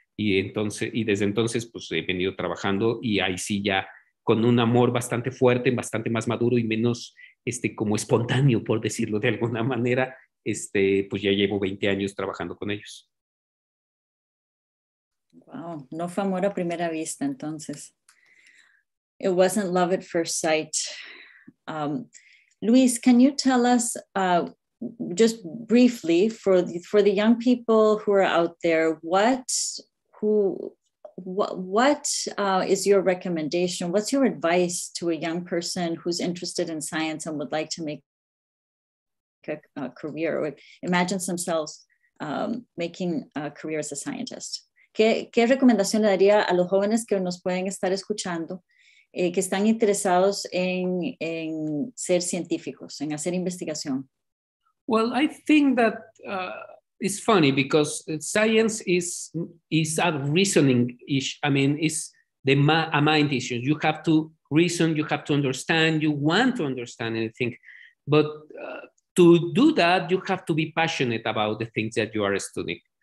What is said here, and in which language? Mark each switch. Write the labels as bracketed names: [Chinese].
[Spanish] Y desde entonces, pues he venido trabajando, y ahí sí ya, con un amor bastante fuerte, bastante más maduro y menos como espontáneo, por decirlo de alguna manera, pues ya llevo 20 años trabajando con ellos. Wow, no fue amor a primera vista, entonces. [English] It wasn't love at first sight. Luis, can you tell us just briefly for the young people who are out there, is your recommendation? What's your advice to a young person who's interested in science and would like to make a career or imagines themselves making a career as a scientist? [Spanish] ¿Qué recomendación le daría a los jóvenes que nos pueden estar escuchando, que están interesados en ser científicos, en hacer investigación? [English] Well, I think that it's funny because science is a reasoning issue. I mean, it's a mind issue. You have to reason, you have to understand, you want to understand anything. But to do that, you have to be passionate about the things that you are studying.